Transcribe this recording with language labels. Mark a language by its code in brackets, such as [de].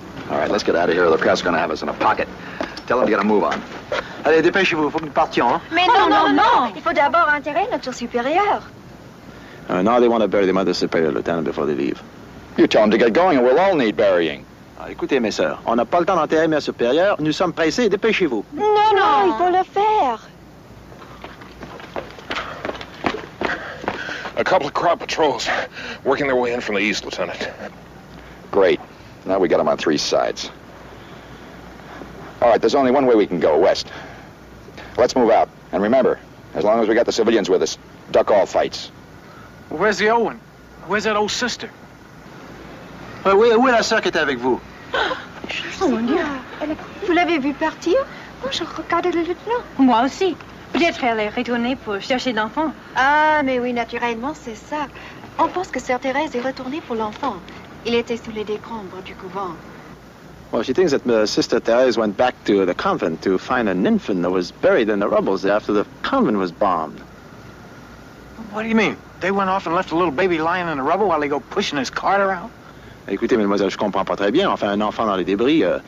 [en] All right, let's get out of here. The crowd's going to have us in a pocket. Tell them to get a move on. [fr] Allez, dépêchez-vous. Faut que nous partions. Mais non, non, non. Il faut d'abord enterrer notre supérieur. [en] Now they want to bury the mother superior, lieutenant, before they leave. You tell them to get going and we'll all need burying. [fr] Ah, écoutez, mes sœurs, on n'a pas le temps d'enterrer mère supérieure. Nous sommes pressés. Dépêchez-vous. Non, non, non, il faut le faire. [en] A couple of crowd patrols working their way in from the east, Lieutenant. Great. Now we got them on three sides. All right, there's only one way we can go, west. Let's move out. And remember, as long as we got the civilians with us, duck all fights. Where's the old one? Where's that old sister? [fr] Où est la sœur qui est avec vous? Oh, mon Dieu! Vous l'avez vu partir? Moi, je regardais le lieutenant. Moi aussi. Peut-être elle est retournée pour chercher d'enfants. Ah, mais oui, naturellement, c'est ça. On pense que Sœur Thérèse est retournée pour l'enfant. Il était sous les décombres du couvent. [en] Well, she thinks that Sister Therese went back to the convent to find an infant that was buried in the rubbles after the convent was bombed. What do you mean? They went off and left a little baby lying in the rubble while they go pushing his cart around? [fr] Écoutez, mademoiselle, je comprends pas très bien. Enfin, un enfant dans les débris.